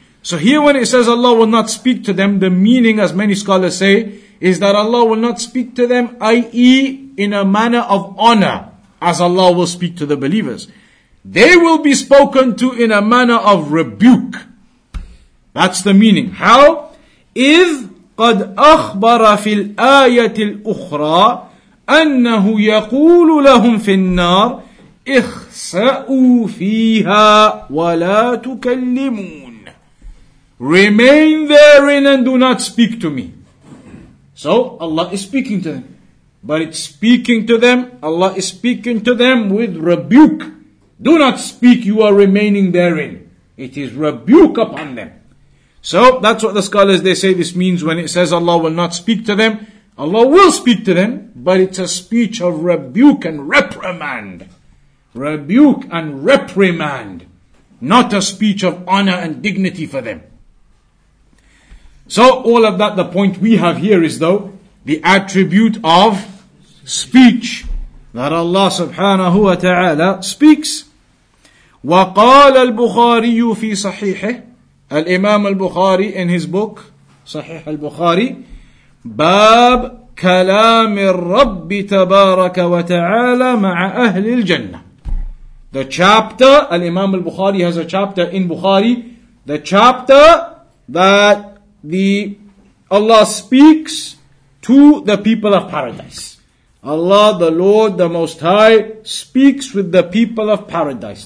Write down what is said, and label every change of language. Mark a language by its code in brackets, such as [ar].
[en] So here when it says Allah will not speak to them, the meaning, as many scholars say, is that Allah will not speak to them, i.e. in a manner of honor, as Allah will speak to the believers. They will be spoken to in a manner of rebuke. That's the meaning. How? [ar] إذ قد أخبر في الآية الأخرى أنه يقول لهم في النار اخسأوا فيها ولا تكلمون. [en] Remain therein and do not speak to me. So Allah is speaking to them. But it's speaking to them, Allah is speaking to them with rebuke. Do not speak, you are remaining therein. It is rebuke upon them. So, that's what the scholars, they say this means when it says Allah will not speak to them. Allah will speak to them, but it's a speech of rebuke and reprimand. Rebuke and reprimand. Not a speech of honor and dignity for them. So, all of that, the point we have here is though, the attribute of speech. That Allah subhanahu wa ta'ala speaks. [ar] وَقَالَ الْبُخَارِيُّ فِي صَحِيحِهِ الإمام البخاري [en] in his book [ar] صحيح البخاري باب كلام الرب تبارك وتعالى مع أهل الجنة. [en] The chapter, الإمام البخاري has a chapter in Bukhari, the chapter that the Allah speaks to the people of paradise. Allah, the Lord, the Most High, speaks with the people of paradise.